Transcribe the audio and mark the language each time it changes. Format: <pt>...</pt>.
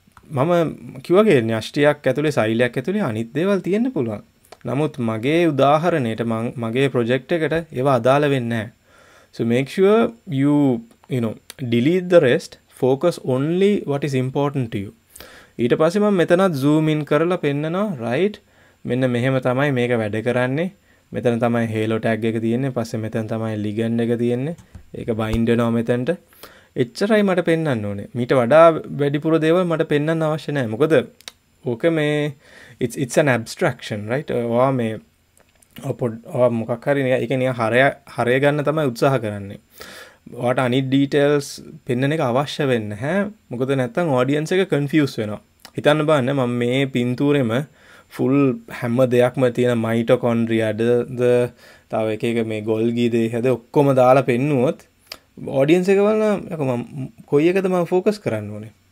<si>මම කිව්වගේ න්‍යෂ්ටියක් ඇතුලේ සෛලයක් ඇතුලේ අනිත් දේවල් තියෙන්න පුළුවන්. නමුත් මගේ උදාහරණයට මගේ ප්‍රොජෙක්ට් එකට ඒව අදාළ වෙන්නේ නැහැ.</si> <en>So make sure you know delete the rest, focus only what is important to you.</en> <si>ඊට පස්සේ මම මෙතනත් zoom in කරලා පෙන්නනවා, right? මෙන්න මෙහෙම තමයි මේක වැඩ කරන්නේ. මෙතන තමයි halo tag එක තියෙන්නේ. පස්සේ මෙතන තමයි ligand එක තියෙන්නේ. ඒක bind වෙනවා මෙතනට. එච්චරයි මට පෙන්වන්න ඕනේ. මීට වඩා වැඩිපුර දේවල් මට පෙන්වන්න අවශ්‍ය නැහැ. මොකද ඕක මේ</si> <en>it's an abstraction, right?</en> <si>ඔවා මේ ඔවා මොකක් හරි ඒක නිකන් හරය ගන්න තමයි උත්සාහ කරන්නේ. ඔයාට අනිත් details පෙන්වන එක අවශ්‍ය වෙන්නේ නැහැ. මොකද නැත්තම් audience එක confuse වෙනවා. හිතන්න බලන්න මම මේ පින්තූරෙම ෆුල් හැම දෙයක්ම තියෙන මයිටොකොන්ඩ්‍රියාද තව එක එක මේ ගොල්ගි දේහද ඔක්කොම දාලා පෙන්නුවොත් ඔඩියන්ස් එක බලන මම කොයි එකද මම ෆෝකස් කරන්න ඕනේ.</si>